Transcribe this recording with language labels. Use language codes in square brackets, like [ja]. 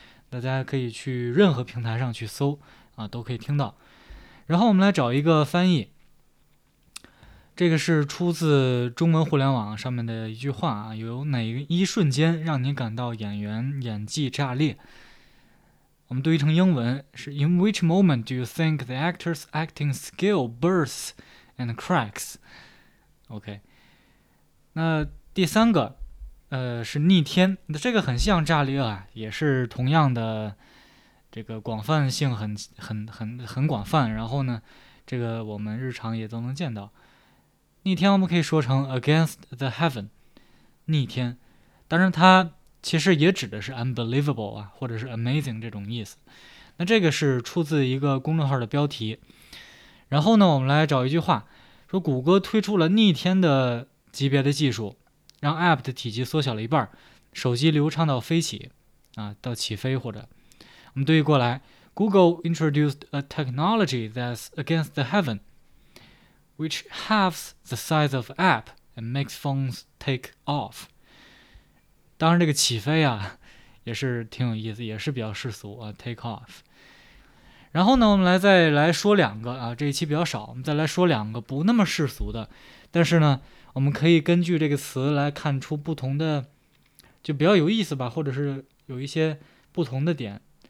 [zh] 大家可以去任何平台上去搜啊，都可以听到。然后我们来找一个翻译，这个是出自中文互联网上面的一句话啊，有哪一瞬间让你感到演员演技炸裂？我们读成英文是 [en] In which moment do you think the actor's acting skill bursts and cracks? [zh] OK， 那第三个是逆天，那这个很像炸裂啊，也是同样的这个广泛性很广泛，然后呢这个我们日常也都能见到。逆天我们可以说成 [en] against the heaven， [zh] 逆天，当然它其实也指的是 [en] unbelievable [zh] 啊，或者是 [en] amazing [zh] 这种意思。那这个是出自一个公众号的标题。然后呢，我们来找一句话，说谷歌推出了逆天的级别的技术，让 app 的体积缩小了一半，手机流畅到飞起啊，到起飞。或者我们对过来， [en] Google introduced a technology that's against the heaven，which halves the size of app and makes phones take off。 [zh] 当然这个起飞啊也是挺有意思，也是比较世俗啊， [en] take off。 [zh] 然后呢我们再来说两个啊，这一期比较少，我们再来说两个不那么世俗的，但是呢我们可以根据这个词来看出不同的，就比较有意思吧，或者是有一些不同的点。